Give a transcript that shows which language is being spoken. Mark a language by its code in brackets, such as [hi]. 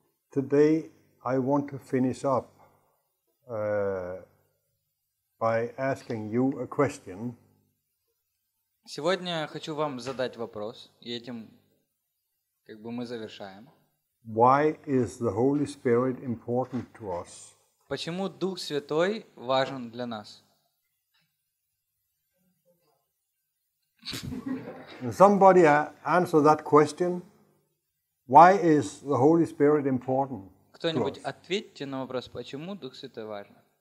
[en] Today I want to finish up by asking you a question. [ru] Сегодня хочу вам задать вопрос, и этим как бы мы завершаем. [en] Why is the Holy Spirit important to us? [ru] Почему Дух Святой важен для нас? [en] Somebody answer that question. Why is the Holy Spirit important? [ru] Кто-нибудь ответьте на вопрос, почему Дух Святой важен?